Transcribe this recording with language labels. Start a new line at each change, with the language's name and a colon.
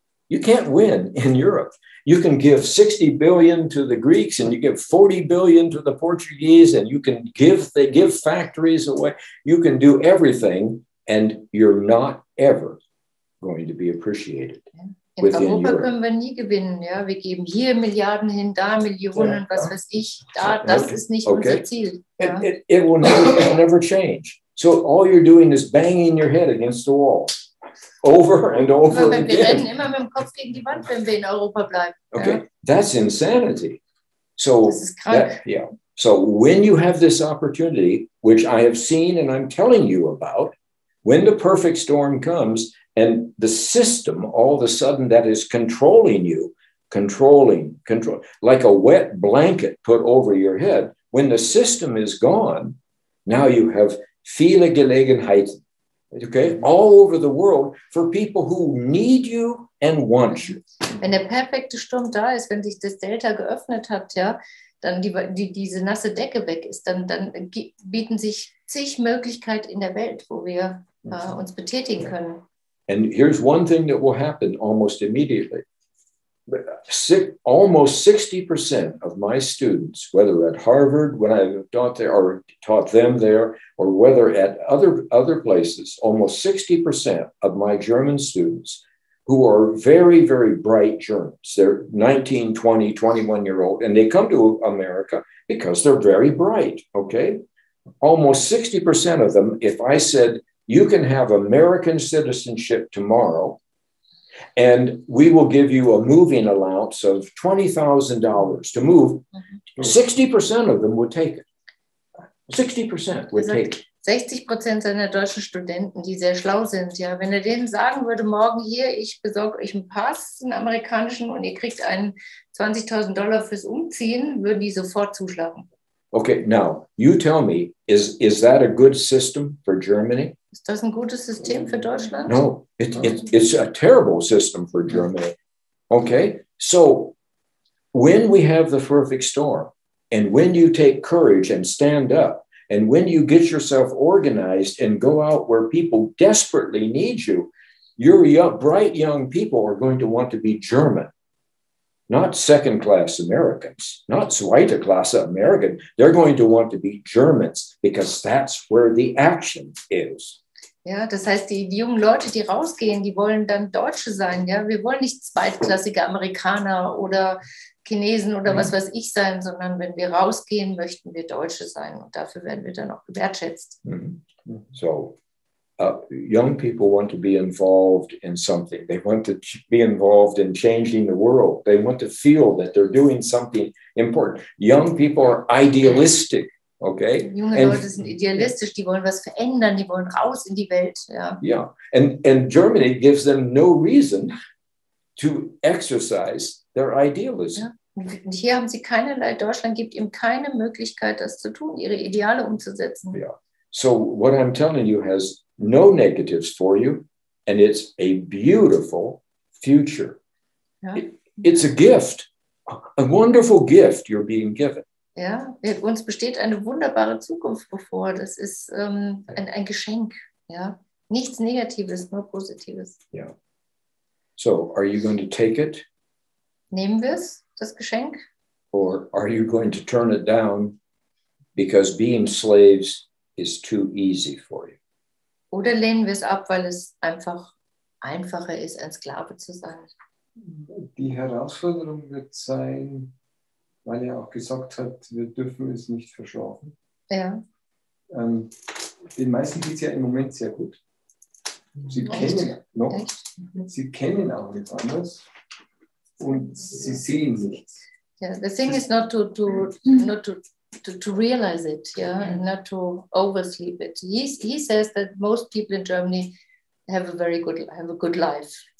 English: You can't win in Europe. You can give 60 billion to the Greeks and you give 40 billion to the Portuguese and you can give factories away. You can do everything and you're not ever going to be appreciated.
German: In Europa können wir nie gewinnen. Ja? Wir geben hier Milliarden hin, da Millionen, was weiß ich. Das ist nicht unser Ziel.
English: It will never change. So all you're doing is banging your head against the wall. Over and over again.
German: Wir rennen immer mit dem Kopf gegen die Wand, wenn wir in Europa bleiben.
English: Okay,
German: ja.
English: That's insanity. So
German: das ist krank. That,
English: yeah. So when you have this opportunity, which I have seen and I'm telling you about, when the perfect storm comes and the system all of a sudden that is controlling you, control, like a wet blanket put over your head, when the system is gone, now you have
German: viele Gelegenheit.
English: Okay, all over the world for people who need you and want you.
German: Wenn der perfekte Sturm da ist, wenn sich das Delta geöffnet hat, ja, dann diese nasse Decke weg ist, dann bieten sich zig Möglichkeiten in der Welt, wo wir uns betätigen können.
English: And here's one thing that will happen almost immediately. Almost 60% of my students, whether at Harvard when I taught there or taught them there, or whether at other places, almost 60% of my German students who are very, very bright Germans, they're 19, 20, 21 year old, and they come to America because they're very bright, okay? Almost 60% of them, if I said, you can have American citizenship tomorrow, and we will give you a moving allowance of $20,000 to move, 60% of them would take it. 60% would take it.
German: 60% seiner deutschen Studenten, die sehr schlau sind, ja, wenn er denen sagen würde, morgen hier, ich besorge euch einen Pass, einen amerikanischen, und ihr kriegt einen $20,000 fürs Umziehen, würden die sofort zuschlagen.
English: Okay, now, you tell me, is that a good system for Germany?
German: Ist das ein gutes System für Deutschland?
English: No, it's a terrible system for Germany. Okay, so when we have the perfect storm, and when you take courage and stand up, and when you get yourself organized and go out where people desperately need you, your bright young people are going to want to be German. Not second-class Americans, not
German: zweite Klasse
English: American. They're going to want to be Germans, because that's where the action is.
German: Ja, das heißt, die jungen Leute, die rausgehen, die wollen dann Deutsche sein. Ja, wir wollen nicht zweitklassige Amerikaner oder Chinesen oder was weiß ich sein, sondern wenn wir rausgehen, möchten wir Deutsche sein. Und dafür werden wir dann auch gewertschätzt.
English: So, young people want to be involved in something. They want to be involved in changing the world. They want to feel that they're doing something important. Young people are idealistic, okay?
German: Junge and, Leute sind idealistisch, die wollen was verändern, die wollen raus in die Welt, ja.
English: Yeah, and Germany gives them no reason to exercise their idealism.
German: Ja. Und hier haben sie keinerlei, Deutschland gibt ihm keine Möglichkeit, das zu tun, ihre Ideale umzusetzen.
English: Yeah. So what I'm telling you has no negatives for you, and it's a beautiful future.
German: Ja.
English: It's a gift, a wonderful gift you're being given.
German: Ja, uns besteht eine wunderbare Zukunft bevor. Das ist ein Geschenk. Ja, nichts Negatives, nur Positives.
English: Yeah. So are you going to take it?
German: Nehmen wir es, das Geschenk?
English: Or are you going to turn it down because being slaves is too easy for you?
German: Oder lehnen wir es ab, weil es einfach einfacher ist, ein Sklave zu sein? Die Herausforderung wird sein, weil er auch gesagt hat, wir dürfen es nicht verschlafen. Ja. Den meisten geht es ja im Moment sehr gut. Sie kennen auch nichts anderes und sie sehen nichts.
English: Yeah, the thing is not to realize it, yeah, and not to oversleep it. He says that most people in Germany have a good life.